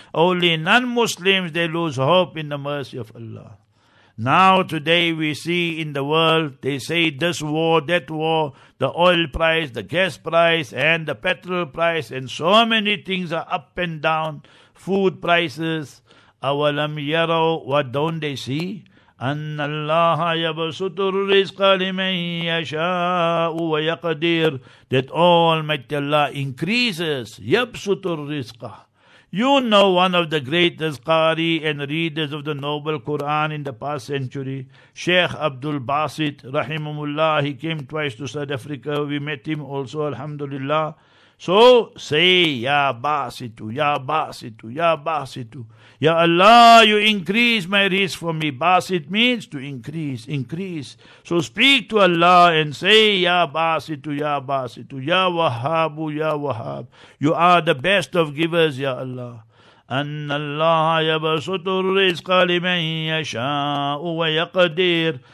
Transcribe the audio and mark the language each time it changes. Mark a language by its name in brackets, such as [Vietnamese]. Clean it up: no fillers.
[English] Only non-Muslims, they lose hope in the mercy of Allah. Now today we see in the world, they say this war, that war, the oil price, the gas price, and the petrol price, and so many things are up and down, food prices. Awalam yaro, what don't they see? [Arabic] أن الله يبسط الرزق لمن يشاء ويقدر. [English] That Almighty Allah increases. [Arabic] يبسط الرزق. [English] You know, one of the greatest Qari and readers of the Noble Quran in the past century, Sheikh Abdul Basit, Rahimahullah, he came twice to South Africa. We met him also, Alhamdulillah. So say, Ya Basitu, Ya Basitu, Ya Basitu. Ya Allah, you increase my risk for me. Basit means to increase, increase. So speak to Allah and say, Ya Basitu, Ya Basitu, Ya Wahhabu, Ya Wahhab. You are the best of givers, Ya Allah. [Arabic] أن الله يبسط الرزق لمن يشاء ويقدر.